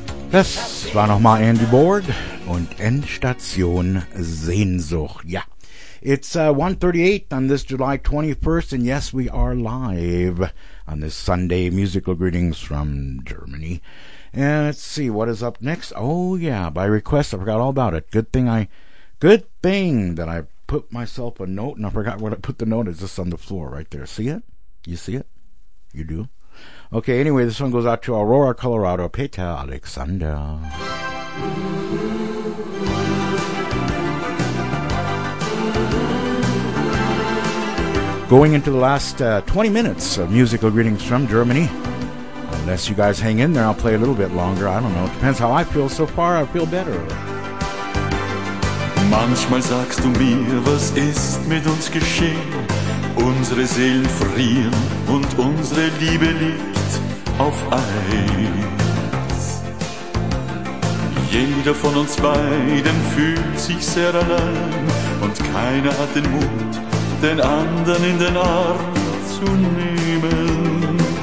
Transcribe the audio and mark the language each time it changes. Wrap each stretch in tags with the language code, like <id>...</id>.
<de>das war nochmal Andy Board und Endstation Sehnsucht.</de> <en>Ja, it's 1:38 on this July 21st, and yes, we are live on this Sunday. Musical greetings from Germany. And let's see, what is up next? Oh, yeah, by request, I forgot all about it. Good thing that I put myself a note, and I forgot where I put the note. It's just on the floor right there. See it? You see it? You do? Okay, anyway, this one goes out to Aurora, Colorado, Peter Alexander. Going into the last 20 minutes of musical greetings from Germany. Unless you guys hang in there, I'll play a little bit longer. I don't know. It depends how I feel. So far, I feel better.</en> <de>Manchmal sagst du mir, was ist mit uns geschehen? Unsere Seelen frieren und unsere Liebe liegt auf Eis. Jeder von uns beiden fühlt sich sehr allein und keiner hat den Mut, den anderen in den Arm zu nehmen.</de>